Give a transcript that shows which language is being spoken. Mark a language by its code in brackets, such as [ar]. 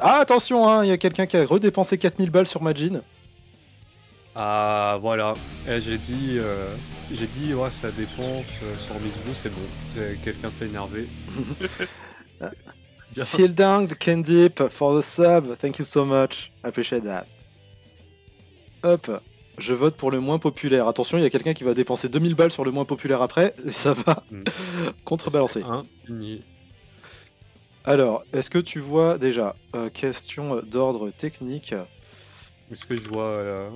[fr] Ah, attention, hein, il y a quelqu'un qui a redépensé 4000 balles sur Majin. Ah, voilà. Et j'ai dit, ouais, ça dépense sur Mizu, c'est bon. Quelqu'un s'est énervé. [en] Feel down the Kendip for the sub, thank you so much, I appreciate that. [fr] Hop, je vote pour le moins populaire. Attention, il y a quelqu'un qui va dépenser 2000 balles sur le moins populaire après, et ça va contrebalancer. Alors, est-ce que tu vois déjà, question d'ordre technique, Est-ce que je vois là?